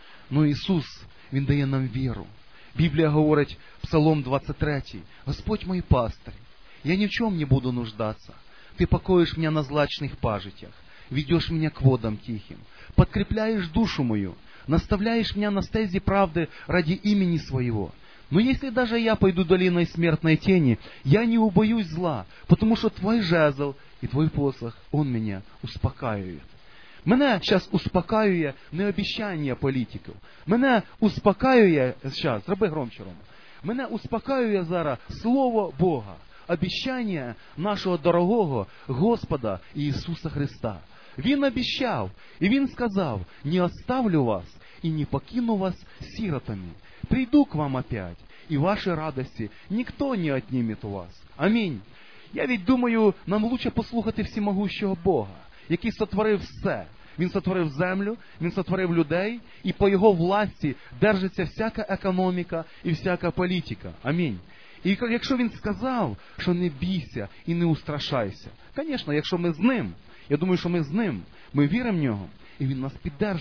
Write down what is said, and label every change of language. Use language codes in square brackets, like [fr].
[uk] Но Ісус, Він дає нам віру. Біблія говорить, Псалом 23, «Господь мій пастирь, я ні в чому не буду нуждатися. Ти покоїш мене на злачних пажитях, ведеш мене к водам тихим, підкріпляєш душу мою, наставляєш мене на стезі правди ради імені Своєго. [ru] Но если даже я пойду долиной смертной тени, я не убоюсь зла, потому что твой жезл и твой посох, он меня успокаивает». Мене сейчас успокаює не обещание политиков. [uk] Мене успокаює [ru] сейчас, [uk] роби громче, Рома. Мене успокаює зараз слово Бога, обещание нашого дорогого Господа Ісуса Христа. Він обещав, і Він сказав, не оставлю вас і не покину вас сиротами. [ru] Прийду к вам опять, и ваши радости никто не отнимет у вас. Аминь. Я ведь думаю, нам лучше послухати всемогущего Бога, [uk] який сотворив все. Він сотворив землю, він сотворив людей, і по його власті держиться всяка економіка і всяка політика. Аминь. І якщо він сказав, що не бійся і не устрашайся. Конечно, якщо ми з ним, я думаю, що ми з ним, ми віримо в нього, і він нас підтримує.